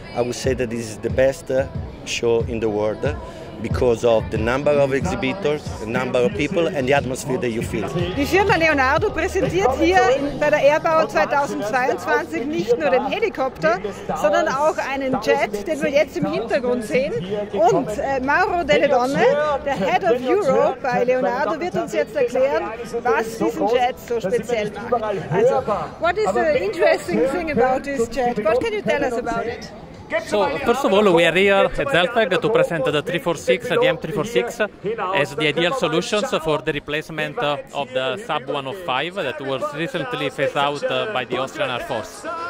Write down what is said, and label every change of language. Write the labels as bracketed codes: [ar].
[en] I would say that this is the best show in the world because of the number of exhibitors, the number of people and the atmosphere that you feel. [de] Die Firma Leonardo präsentiert hier bei der Airpower 2022 nicht nur den Helikopter, sondern auch einen Jet, den wir jetzt im Hintergrund sehen. Und Mauro Delle Donne, der Head of Europe bei Leonardo, wird uns jetzt erklären, was diesen Jet so speziell macht. [en] Also, what is the interesting thing about this jet? What can you tell us about it? So, first of all, we are here at Zeltag to present the 346, the M346, as the ideal solutions for the replacement of the Sub 105 that was recently phased out by the Austrian Air Force.